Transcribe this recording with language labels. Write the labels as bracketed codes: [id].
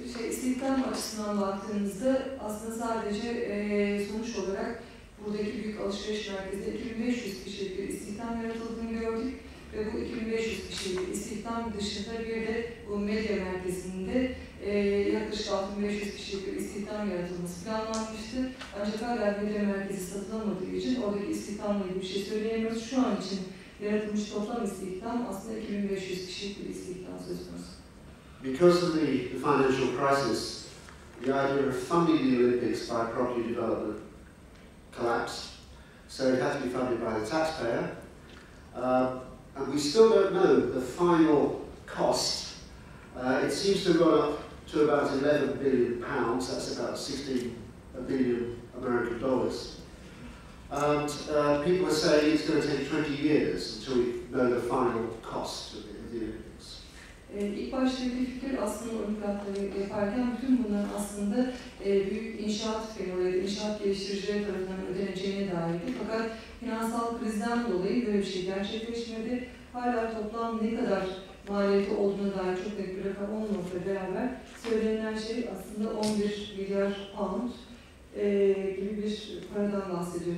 [tr] İstihdam açısından baktığınızda aslında sadece sonuç olarak buradaki büyük alışveriş merkezinde 2500 kişilik bir istihdam yaratıldığını gördük ve bu 2500 kişilik istihdam dışında bir de bu medya merkezinde yaklaşık 6500 kişilik bir istihdam yaratılması planlanmıştı. Ancak hala medya merkezi satılamadığı için oradaki istihdamla ilgili bir şey söyleyemiyoruz. Şu an için yaratılmış toplam istihdam aslında 2500 kişilik bir istihdam söz konusu. [en] Because of the financial crisis, the idea of funding the Olympics by property development collapse, so it has to be funded by the taxpayer, and we still don't know the final cost. It seems to have gone up to about £11 billion, that's about $16 billion. And people are saying it's going to take 20 years until we know the final cost of the Olympics. [tr] İlk başta bir fikir aslında olimpiyatları yaparken bütün bunların aslında büyük inşaat firmaları, inşaat geliştiriciler tarafından ödeneceğine dairdi. Fakat finansal krizden dolayı böyle bir şey gerçekleşmedi. Hala toplam ne kadar maliyeti olduğuna dair çok net bir rakam olmamakla beraber söylenen şey aslında 11 milyar pound gibi bir paradan bahsediyor.